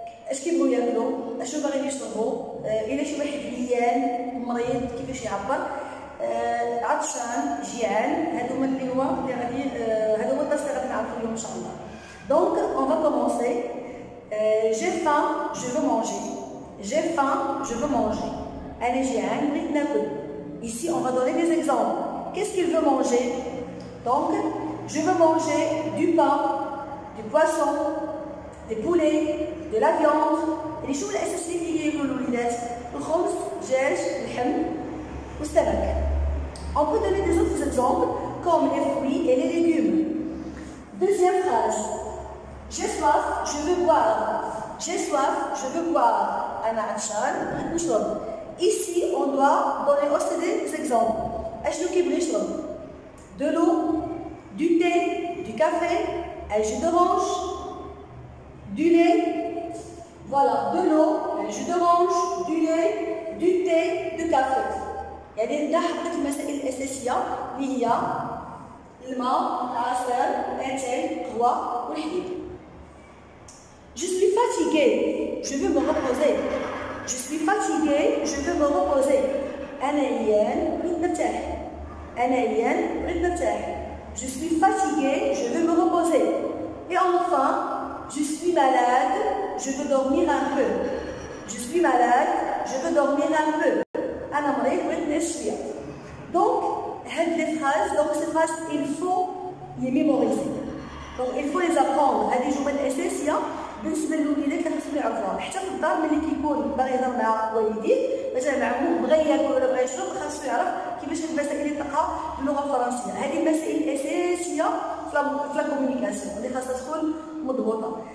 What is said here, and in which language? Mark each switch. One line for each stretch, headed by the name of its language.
Arabic: اش كيبغيو ياكلو، اشنو باغيين يشربو، الى شي واحد عيان مريض كيفاش يعبر، عطشان جيعان، هادو هما اللي هو اللي غادي هادو هما الدرس اللي غادي نعرفو اليوم ان شاء الله.
French: دونك اون فوا كومونسي. جي فان جو فو مانجي، جي فان جو فو مانجي،
Arabic: انا جيعان بغيت ناكل.
French: ici on va donner des exemples. qu'est-ce qu'il veut manger؟ donc je veux manger du pain, du poisson, des poulets, de la viande.
Arabic: يعني شو الاساس اللي كيقولوا الوليدات؟ الخبز، الدجاج، اللحم والسمك.
French: on peut donner des autres exemples comme les fruits et les légumes. deuxième phrase. j'ai soif, je veux boire. j'ai soif, je veux boire.
Arabic: انا عطشان بغيت نشرب.
French: ici on doit donner aussi des exemples.
Arabic: اشنو كيبغي يشرب؟
French: de l'eau, du thé, du café, un jus d'orange, du lait. voilà, de l'eau, un jus d'orange, du lait, du thé, du café.
Arabic: يعني هنا حطيت المسائل الاساسيه اللي هي الماء، العصير، الاتاي، القهوه والحليب.
French: je suis fatiguée, je veux me reposer. je suis fatiguée, je veux me reposer.
Arabic: انا عيان بغيت نرتاح. انا عيان بغيت نرتاح.
French: je suis fatiguée, je veux me reposer. et enfin je suis malade, je veux dormir un peu. je suis malade, je veux dormir un peu.
Arabic: انا مريض بغيت نشرب.
French: donc
Arabic: هاد
French: لي فراز، donc ces phrases il faut les mémoriser. donc il faut les apprendre.
Arabic: هادي جمل اساسيه بالنسبه للوليدات اللي خصهم يعرفوها حتى في الدار. ملي كيكون باغي يهضر مع والديه مثلا مع عمو بغى ياكل ولا بغى يشرب خاصو يعرف كيفاش المسائل اللي تلقاها باللغه الفرنسيه. هذه المسائل الاساسيه في الكوميونيكاسيون اللي خاصها تكون مضبوطه.